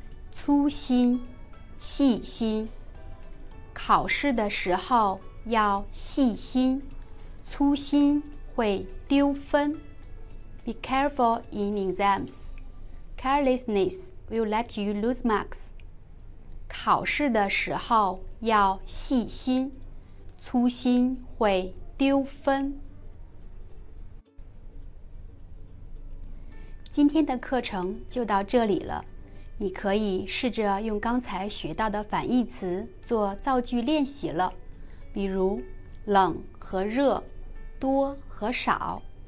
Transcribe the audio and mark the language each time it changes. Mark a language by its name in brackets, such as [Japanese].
[Chinese] 粗心，细心。考试的时候要细心，粗心会丢分。 [English] Be careful in exams. Carelessness will let you lose marks. [Chinese] 考试的时候要细心，粗心会丢分。今天的课程就到这里了，你可以试着用刚才学到的反义词做造句练习了，比如冷和热，多和少。